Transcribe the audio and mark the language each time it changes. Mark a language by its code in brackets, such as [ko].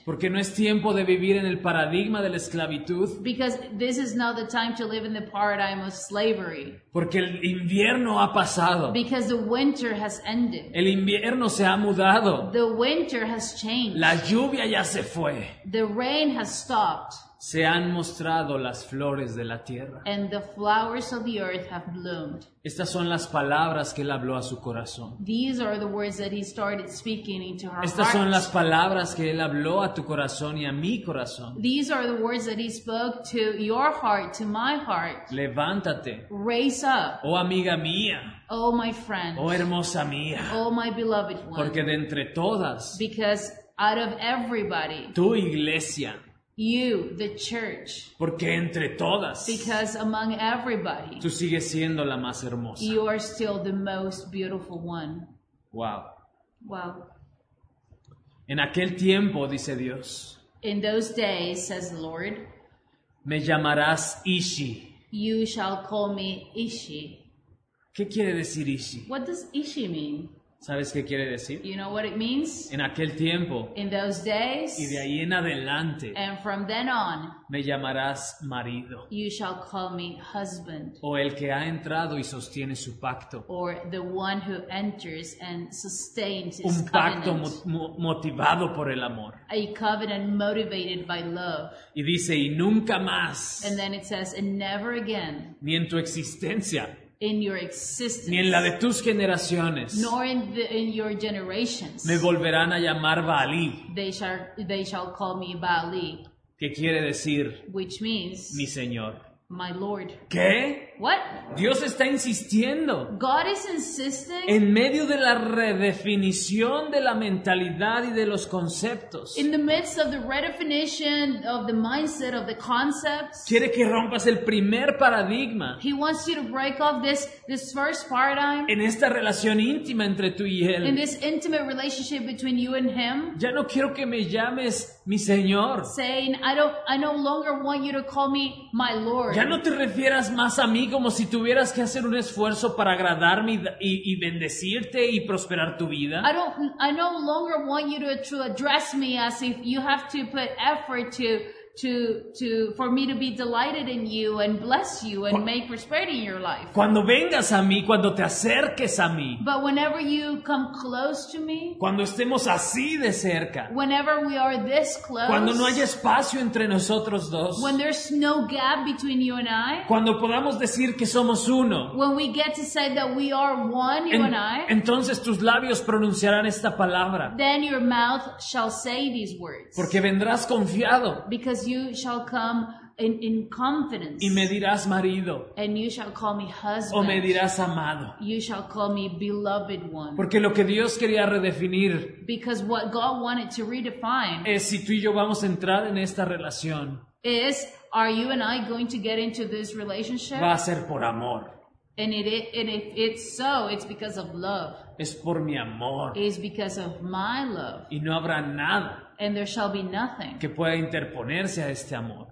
[es] Porque no es tiempo de vivir en el paradigma de la esclavitud. [en] Because this is not the time to live in the paradigm of slavery. [es] Porque el invierno ha pasado. [en] Because the winter has ended. [es] El invierno se ha mudado. [en] The winter has changed. [es] La lluvia ya se fue. [en] The rain has stopped. [es] Se han mostrado las flores de la tierra. [en] And the flowers of the earth have bloomed. [es] Estas son las palabras que él habló a su corazón. [en] These are the words that he started speaking into her heart. [es] Estas son las palabras que él habló a tu corazón y a mi corazón. [en] These are the words that he spoke to your heart, to my heart. [es] Levántate. [en] Raise up. [es] Oh, amiga mía. [en] Oh, my friend. [es] Oh, hermosa mía. [en] Oh, my beloved one. [es] Porque de entre todas. [en] Because out of everybody. [es] Tu iglesia. [en] You, the church. [es] Porque entre todas. [en] Because among everybody. [es] Tú sigues siendo la más hermosa. [en] You are still the most beautiful one. [es] Wow. [en] Wow. [es] En aquel tiempo, dice Dios. [en] In those days, says the Lord. [es] Me llamarás Ishi. [en] You shall call me Ishi. [es] ¿Qué quiere decir Ishi? [en] What does Ishi mean? [es] ¿Sabes qué quiere decir? [en] You know what it means? [es] En aquel tiempo. [en] In those days. [es] Y de ahí en adelante. [en] And from then on. [es] Me llamarás marido. [en] You shall call me husband. [es] O el que ha entrado y sostiene su pacto. [en] Or the one who enters and sustains his covenant. [es] Un pacto motivado por el amor. [en] A covenant motivated by love. [es] Y dice, y nunca más. [en] And then it says, and never again. [es] Ni en tu existencia. [en] In your existence, [es] ni en la de tus generaciones, [en] nor in your generations, [es] me volverán a llamar Baalí. [en] They shall call me Baalí. [es] ¿Qué quiere decir? [en] Which means, [es] mi señor. [en] My Lord. [es] ¿Qué? [en] What? [es] Dios está insistiendo. [en] God is insisting. [es] En medio de la redefinición de la mentalidad y de los conceptos. [en] In the midst of the redefinition of the mindset of the concepts. [es] Quiere que rompas el primer paradigma. [en] He wants you to break off this first paradigm. [es] En esta relación íntima entre tú y él. [en] In this intimate relationship between you and him. [es] Ya no quiero que me llames mi señor. [en] Saying I no longer want you to call me my Lord. [es] Ya no te refieras más a mí como si tuvieras que hacer un esfuerzo para agradarme y bendecirte y prosperar tu vida. [en] I no longer want you to address me as if you have to put effort to for me to be delighted in you and bless you and make prosperity in your life. [es] Cuando vengas a mí, cuando te acerques a mí. [en] But whenever you come close to me. [es] Cuando estemos así de cerca. [en] Whenever we are this close. [es] Cuando no haya espacio entre nosotros dos. [en] When there's no gap between you and I. [es] Cuando podamos decir que somos uno. [en] When we get to say that we are one, you and I. [es] Entonces tus labios pronunciarán esta palabra. [en] Then your mouth shall say these words. [es] Porque vendrás confiado. [en] Because you shall come in confidence. [es] Y me dirás marido. [en] And you shall call me husband. [es] O me dirás amado. [en] You shall call me beloved one. [es] Porque lo que Dios quería redefinir. [en] Because what God wanted to redefine. [es] Es si tú y yo vamos a entrar en esta relación. [en] Is are you and I going to get into this relationship? [es] Va a ser por amor. [en] And if it's so, it's because of love. [es] Es por mi amor. [en] It's because of my love. [es] Y no habrá nada. [en] And there shall be nothing [es] que pueda interponerse a este amor.